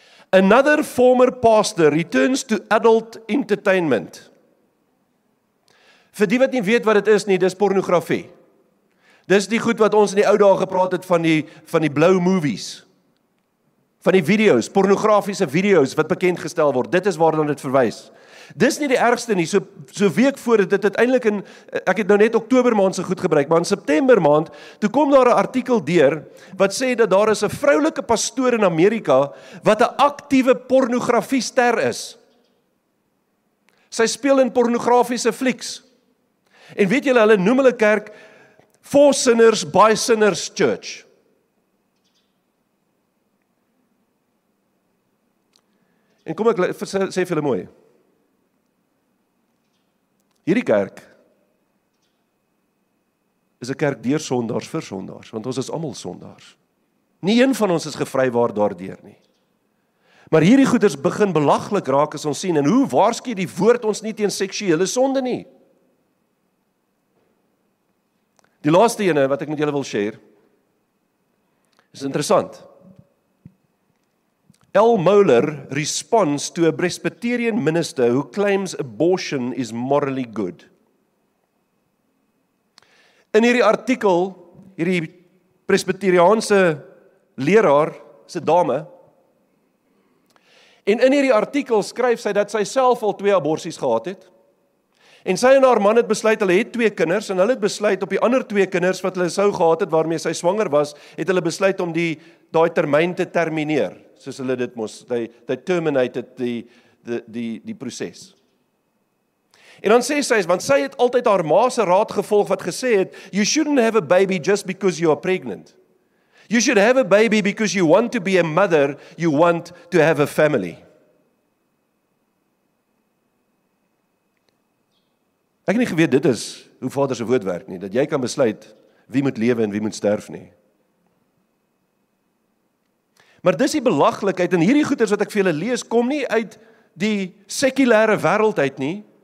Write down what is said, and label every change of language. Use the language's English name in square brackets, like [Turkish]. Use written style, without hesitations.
[English] Another former pastor returns to adult entertainment. [Afrikaans] Vir die wat nie weet wat dit is nie, dis pornografie. Dis die goed wat ons in die ou dae gepraat het van die blou movies. Van die video's, pornografiese video's wat bekend gestel word. Dit is waarna dit verwys. Dis nie die ergste nie. So week voor dit uiteindelik in ek het nou net Oktober maand se goed gebruik, maar in September maand, toe kom daar 'n artikel deur wat sê dat daar is 'n vroulike pastoor in Amerika wat 'n aktiewe pornografie ster is. Sy speel in pornografiese flieks. En weet julle, hulle noem hulle kerk Four Sinners by Sinners Church. En kom ek sê vir julle mooi. Hierdie kerk is 'n kerk deur sondaars vir sondaars, want ons is almal sondaars. Nie een van ons is gevry waar daardeur nie. Maar hierdie goeders begin belaglik raak as ons sien en hoe waarsku die woord ons nie teen seksuele sonde nie. Die laaste ene wat ek met julle wil share, is interessant. L. [English] Moeller responds to a Presbyterian minister who claims abortion is morally good. [Afrikaans] In hierdie artikel, hierdie Presbyteriaanse leraar, se dame, en in hierdie artikel skryf sy dat sy self al 2 aborsies gehad het, En sy en haar man het besluit, hulle het 2 kinders, en hulle het besluit op die ander 2 kinders wat hulle sou gehad het, waarmee sy swanger was, het hulle besluit om daai termyn te termineer, soos hulle dit mos, [English] they terminated [Afrikaans] die proses. En dan sê sy, want sy het altyd haar ma se raad gevolg wat gesê het, [English] you shouldn't have a baby just because you are pregnant. You should have a baby because you want to be a mother, you want to have a family. [Afrikaans] Ek het nie geweet dit is hoe Vader se woord werk nie, dat jy kan besluit wie moet lewe en wie moet sterf nie. Maar dis die belaglikheid en hierdie goeders wat ek vir julle lees kom nie uit die sekulêre wêreld uit nie.